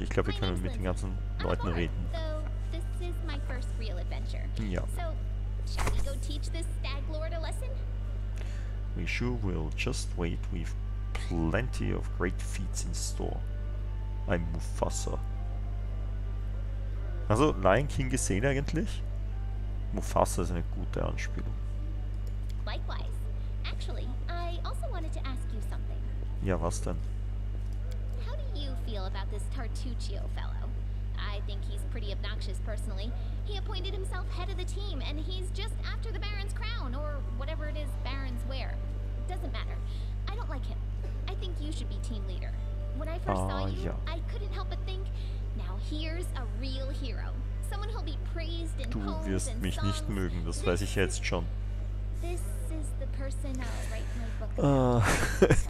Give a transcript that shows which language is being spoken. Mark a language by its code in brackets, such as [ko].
[de] Ich glaube, wir können mit den ganzen Leuten reden. [en] So, this is my first real adventure. [de] Ja. [en] So, shall we go teach this stag lord a lesson? We sure will. Just wait, we've plenty of great feats in store. I'm Mufasa. [de] Also, Lion King gesehen eigentlich? Mufasa ist eine gute Anspielung. [en] Likewise. Actually, I also wanted to ask you something. [de] Ja, was denn? [en] How do you feel about this Tartuccio fellow? I think he's pretty obnoxious personally. He appointed himself head of the team and he's just after the Baron's crown or whatever it is Barons wear. Doesn't matter. I don't like him. I think you should be team leader. When I first saw you, [de] ja. [en] I couldn't help but think, now here's a real hero. Someone who'll be praised in poems and songs. [de] Du wirst mich nicht mögen, das weiß ich jetzt schon. [en] This is the person I'll write my book about.